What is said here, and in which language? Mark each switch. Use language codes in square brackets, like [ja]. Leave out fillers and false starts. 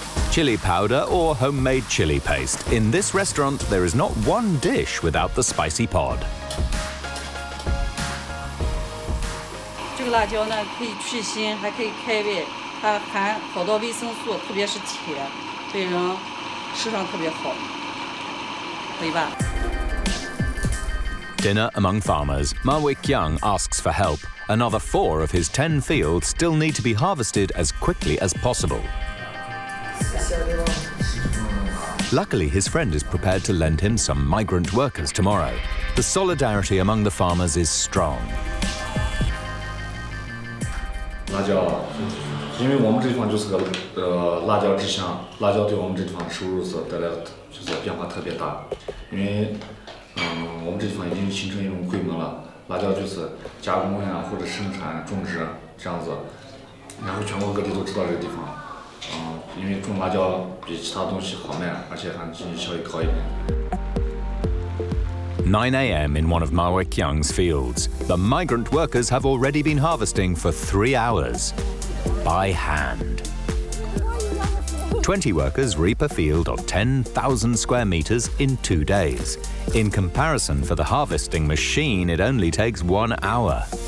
[en] Chili powder or homemade chili paste. In this restaurant, there is not one dish without the spicy pod. This [zh] 辣椒呢，可以去腥，还可以开胃。它含好多维生素，特别是铁，对人吃上特别好，可以吧？ [en] Dinner among farmers. Ma Wik Young asks for help. Another 4 of his 10 fields still need to be harvested as quickly as possible. Luckily, his friend is prepared to lend him some migrant workers tomorrow. The solidarity among the farmers is strong. [zh] 辣椒，因为我们这地方就是个辣椒之乡，辣椒对我们这地方收入是带来就是变化特别大。因为我们这地方已经形成一种规模了，辣椒就是加工呀或者生产种植这样子，然后全国各地都知道这个地方。因为种辣椒比其他东西好卖，而且还经济效益高一点。 [en] 9 a.m. in one of Ma Wik Young's fields, the migrant workers have already been harvesting for 3 hours by hand. 20 workers reap a field of 10,000 square meters in 2 days. In comparison, for the harvesting machine, it only takes 1 hour.